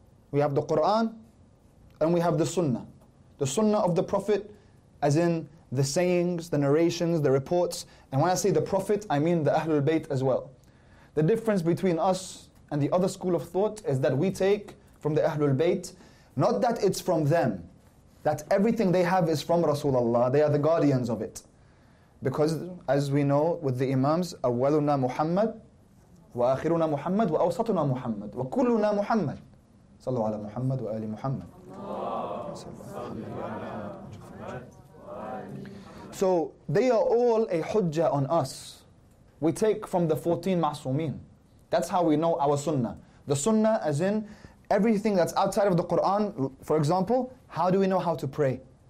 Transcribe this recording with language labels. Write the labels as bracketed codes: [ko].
[en] We have the Quran and we have the Sunnah. The Sunnah of the Prophet, as in the sayings, the narrations, the reports. And when I say the Prophet, I mean the Ahlul Bayt as well. The difference between us and the other school of thought is that we take from the Ahlul Bayt, not that it's from them, that everything they have is from Rasulullah, they are the guardians of it. Because as we know with the Imams, [ar] أَوَّلُنَا مُحَمَّدْ وَآخِرُنَا مُحَمَّدْ وَأَوْسَطُنَا مُحَمَّدْ وَكُلُّنَا مُحَمَّدْ صَلُّوا عَلَى مُحَمَّدْ وَآلِ مُحَمَّدْ. [en] So they are all a hujjah on us. We take from the 14 ma'sumeen. That's how we know our sunnah. The sunnah as in everything that's outside of the Qur'an, for example, how do we know how to pray?